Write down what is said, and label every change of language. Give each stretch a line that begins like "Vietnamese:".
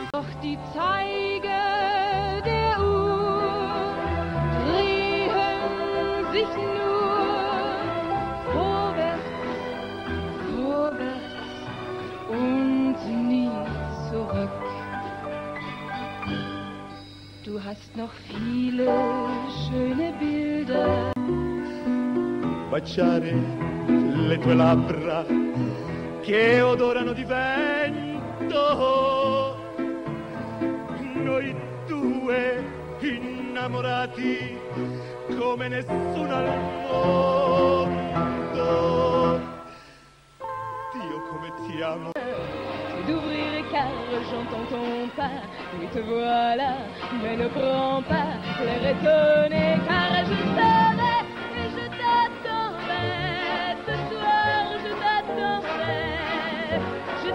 German: Doch die Zeige der Uhr drehen sich nur vorwärts, vorwärts und nie zurück. Du hast noch viele schöne Bilder.
Italian: Baciare le tue labbra che odorano di vento. Noi due innamorati come nessuno al mondo. Dio come ti amo.
French: D'ouvrir les cartes, j'entends ton pas. Oui, te voilà, mais ne prends pas l'air étonné, car je serai et je t'attendrai. Ce soir, je t'attendrai.